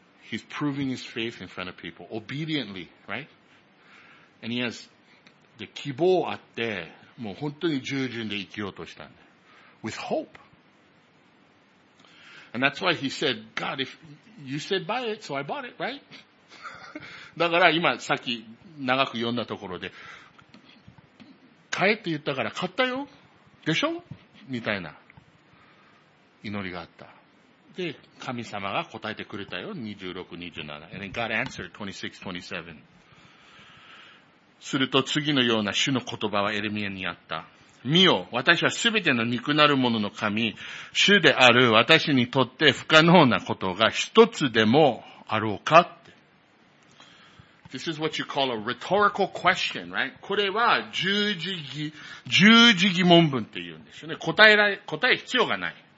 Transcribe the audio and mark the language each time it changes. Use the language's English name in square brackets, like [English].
[English] He's proving his faith in front of people, obediently, right? And he has the [Japanese] 希望あって、もう本当に従順で生きようとしたんだ。 [English] With hope. And that's why he said, God, if you said buy it, so I bought it, right? [Japanese] だから今さっき長く読んだところで、買えって言ったから買ったよ。でしょ?みたいな祈りがあった。で、神様が答えてくれたよ。 [English] 26、27。 And then God answered 26, 27. [Japanese] すると次のような主の言葉はエレミアにあった。見よ、私はすべての肉なる者の神、主である私にとって不可能なことが一つでもあろうかって。 [English] This is what you call a rhetorical question, right? [Japanese] これは十字疑問文って言うんですよね。答え必要がない。